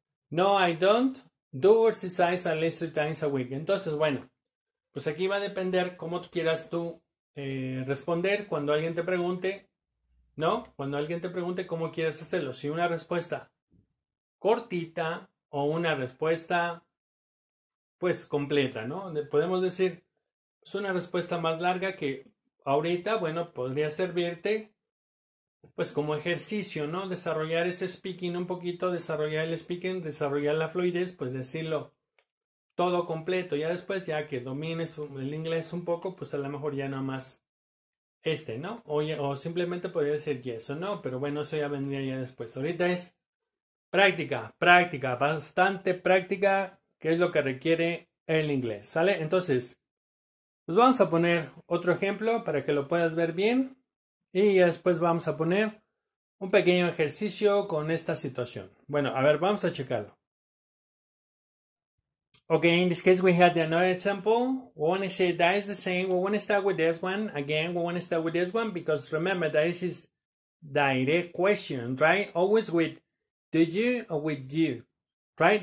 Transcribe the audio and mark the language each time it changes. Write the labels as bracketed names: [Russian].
[English] No, I don't do exercise at least 3 times a week. [Spanish] Entonces, bueno, pues aquí va a depender cómo quieras tú responder cuando alguien te pregunte, ¿no? Cuando alguien te pregunte cómo quieras hacerlo, si una respuesta cortita o una respuesta, pues, completa, ¿no? Podemos decir, es una respuesta más larga que ahorita, bueno, podría servirte, pues como ejercicio, ¿no? Desarrollar ese speaking un poquito, desarrollar el speaking, desarrollar la fluidez, pues decirlo todo completo. Ya después, ya que domines el inglés un poco, pues a lo mejor ya no más este, ¿no? O simplemente podría decir yes o no, pero bueno, eso ya vendría ya después. Ahorita es práctica, práctica, bastante práctica, que es lo que requiere el inglés, ¿sale? Entonces, pues vamos a poner otro ejemplo para que lo puedas ver bien y después vamos a poner un pequeño ejercicio con esta situación. Bueno, a ver, vamos a checarlo. [English] Okay, in this case we had another example. We want to say that is the same. We want to start with this one. Again, we want to start with this one because remember that this is direct question, right? Always with did you or with you, right?